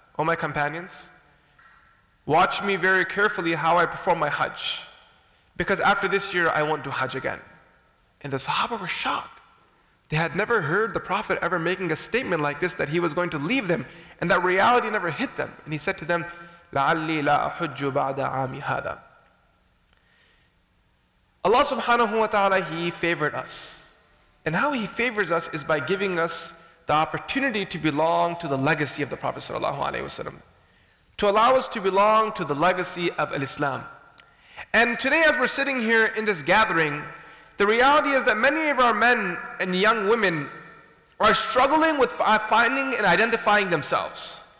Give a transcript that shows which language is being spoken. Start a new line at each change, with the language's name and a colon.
English: O my companions, watch me very carefully how I perform my Hajj. Because after this year, I won't do Hajj again. And the Sahaba were shocked. They had never heard the Prophet ever making a statement like this, that he was going to leave them, and that reality never hit them. And he said to them,
Arabic: لَعَلِّي لَا أَحُجُّ بَعْدَ عَامِ هَذَا.
English: Allah subhanahu wa ta'ala, he favored us. And how he favors us is by giving us the opportunity to belong to the legacy of the Prophet sallallahu alaihi wasallam, to allow us to belong to the legacy of al-Islam. And today as we're sitting here in this gathering, the reality is that many of our men and young women are struggling with finding and identifying themselves.